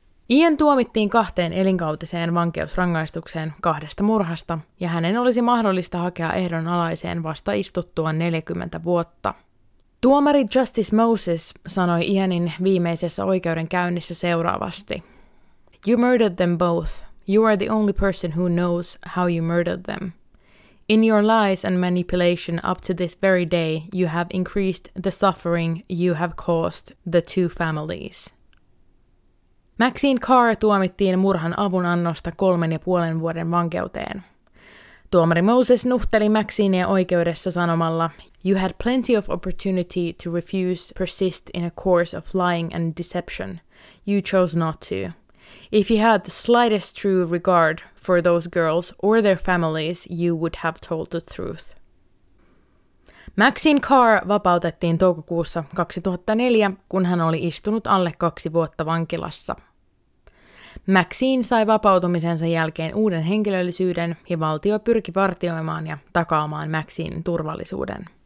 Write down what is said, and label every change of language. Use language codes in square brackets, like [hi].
[fi] Ian tuomittiin 2 elinkautiseen vankeusrangaistukseen 2 murhasta, ja hänen olisi mahdollista hakea ehdonalaiseen vasta istuttua 40 vuotta. Tuomari Justice Moses sanoi Ianin viimeisessä oikeudenkäynnissä seuraavasti. [en] You murdered them both. You are the only person who knows how you murdered them. In your lies and manipulation up to this very day, you have increased the suffering you have caused the 2 families. [fi] Maxine Carr tuomittiin murhan avunannosta 3,5 vuoden vankeuteen. Tuomari Moses nuhteli Maxinea oikeudessa sanomalla, [en] You had plenty of opportunity to refuse persist in a course of lying and deception. You chose not to. If you had the slightest true regard for those girls or their families, you would have told the truth. [fi] Maxine Carr vapautettiin toukokuussa 2004, kun hän oli istunut alle 2 vuotta vankilassa. Maxine sai vapautumisensa jälkeen uuden henkilöllisyyden ja valtio pyrki vartioimaan ja takaamaan Maxinen turvallisuuden.